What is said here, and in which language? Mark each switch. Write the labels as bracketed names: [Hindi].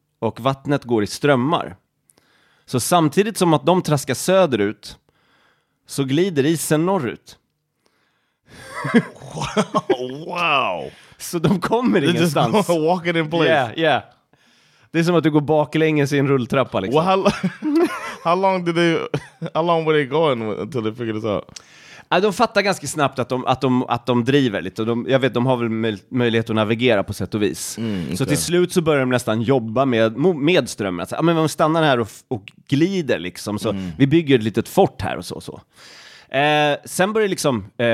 [Swedish] Och vattnet går i strömmar. Så samtidigt som att de traskar söderut så glider isen norrut. [English] Wow. [Swedish] Så de kommer [English] They're [Swedish] ingenstans. [English] Just walking in place. Yeah, yeah. [Swedish] Det är som att du går baklänges i en rulltrappa liksom. [English] Well, how long were they going until they figured this out? [Swedish] De fattar ganska snabbt att de driver lite. Och de, jag vet, de har väl möjlighet att navigera på sätt och vis. Mm, så till slut så börjar de nästan jobba med strömmen. Alltså, men de stannar här och glider liksom. Så vi bygger ett litet fort här och så. Sen börjar det liksom...